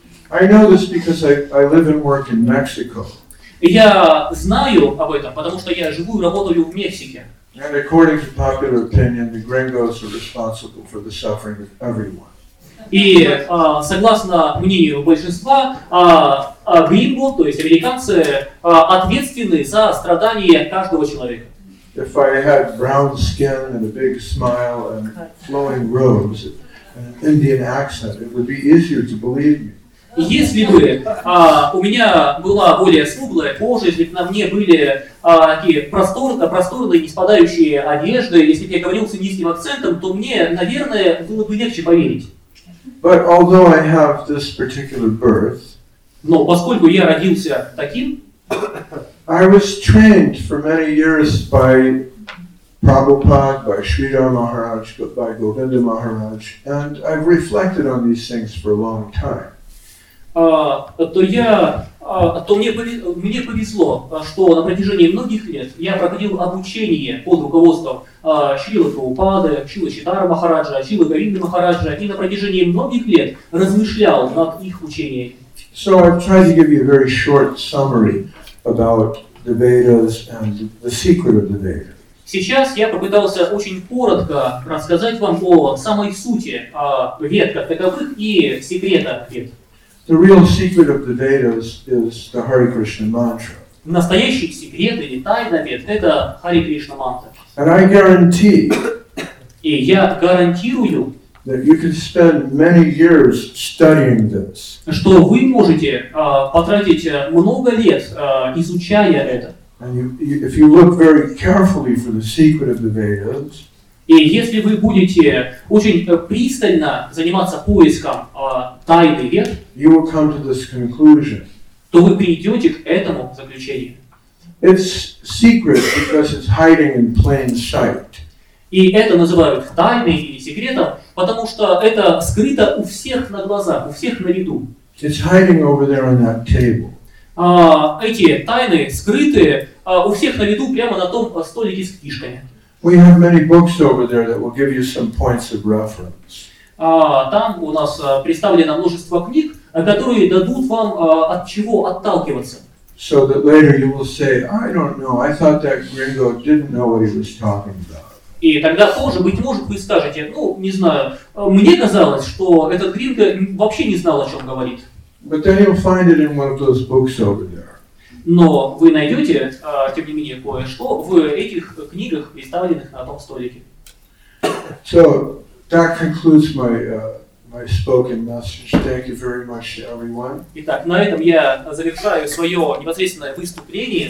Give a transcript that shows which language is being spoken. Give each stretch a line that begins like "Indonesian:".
English: I know this because I live and work in Mexico.
Russian: Я знаю об этом, потому что я живу и работаю в Мексике.
English: And according to popular opinion, the gringos are responsible for the suffering of everyone.
Russian: И согласно мнению большинства, гринго, то есть американцы, ответственны за страдания каждого человека.
English: If I had brown skin and a big smile and flowing robes and an Indian accent, it would be easier to believe me.
Russian: Если бы у меня была более смуглая кожа, если бы на мне были такие просторные, не спадающие одежды, если бы я говорил с индийским акцентом, то мне, наверное, было бы легче поверить.
English: But although I have this particular birth,
Russian: но поскольку я родился таким,
English: I was trained for many years by Prabhupada, by Sridhar Maharaj, by Govinda Maharaj, and I've reflected on these things for a long time.
Russian: Мне повезло, что на протяжении многих лет я проходил обучение под руководством Шрилы Прабхупады, Шрилы Читара Махараджа, Шрилы Говинды Махараджа, и на протяжении многих лет размышлял над их учениями.
English: So I've tried to give you a very short summary about the Vedas and the secret of the Vedas.
Russian: Сейчас я попытался очень коротко рассказать вам о самой сути вед как таковых и секретах вед.
English: The real secret of the Vedas is the Hare Krishna mantra.
Russian: Настоящий секрет или тайна вед – это Hare Krishna mantra.
English: And I guarantee.
Russian: И я гарантирую.
English: That you can spend many years studying this.
Russian: Что вы можете потратить много лет изучая это.
English: And if you look very carefully for the secret of the Vedas.
Russian: И если вы будете очень пристально заниматься поиском тайны вед,
English: you will come to this conclusion.
Russian: То вы придете к этому заключению.
English: It's secret because it's hiding in plain sight.
Russian: И это называют тайной или секретом, потому что это скрыто у всех на глазах, у всех на виду.
English: It's hiding over there on that table.
Russian: Эти тайны скрыты у всех на виду прямо на том столике с книжками.
English: We have many books over there that will give you some points of reference.
Russian: Там у нас представлено множество книг, которые дадут вам от чего отталкиваться.
English: So that later you will say, I don't know, I thought that gringo didn't know what he was talking about.
Russian: И тогда тоже, быть может, вы скажете, ну, не знаю, мне казалось, что этот гринго вообще не знал, о чем говорит.
English: But then you'll find it in one of those books over there.
Russian: Но вы найдете, тем не менее, кое-что в этих книгах, представленных на том столике.
English: So, that concludes my, my spoken message. Thank you very much, everyone.
Russian: Итак, на этом я завершаю свое непосредственное выступление.